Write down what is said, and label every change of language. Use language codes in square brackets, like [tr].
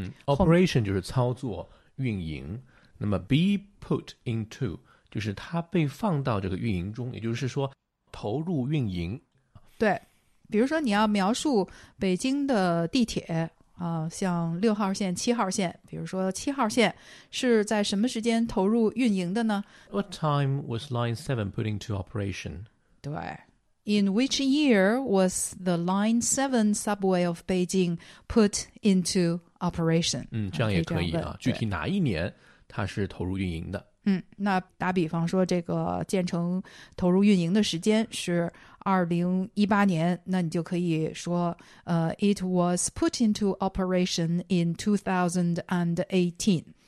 [zh] Operation 就是操作运营，那么 be put into 就是它被放到这个运营中，也就是说投入运营。对，比如说你要描述北京的地铁像六号线七号线，比如说七号线是在什么时间投入运营的呢？ [en] What time was line 7 put into operation? 对， In which year was the line 7 subway of Beijing put into operation。 [zh] 嗯，这样也可以啊，可以这样问，具体哪一年它是投入运营的。嗯，那打比方说这个建成投入运营的时间是2018年，那你就可以说 [en] It was put into operation in 2018。